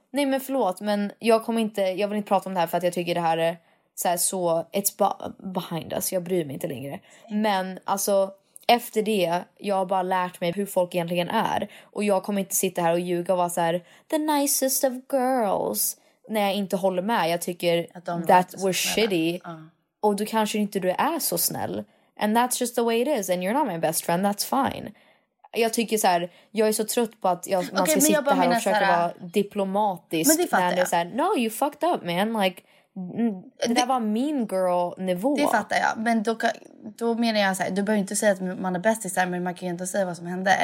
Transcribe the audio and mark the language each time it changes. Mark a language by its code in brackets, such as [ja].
[sv] Nej, men förlåt, men jag vill inte prata om det här för att jag tycker det här är så [en] it's behind us. [sv] Jag bryr mig inte längre. Men alltså, efter det, jag har bara lärt mig hur folk egentligen är. Och jag kommer inte sitta här och ljuga och vara så här, [en] the nicest of girls. [sv] När jag inte håller med, jag tycker [en] that was shitty. [sv] Och du kanske inte du är så snäll. [en] And that's just the way it is, and you're not my best friend, that's fine. [sv] Jag tycker så här, jag är så trött på att man ska sitta här och försöka vara diplomatisk. Men det fattar jag. [en] No, you fucked up, man. Like, [sv] det var mean girl-nivå. Det fattar jag. Men då menar jag så här, du behöver inte säga att man är bäst i sig, men man kan ju inte säga vad som hände.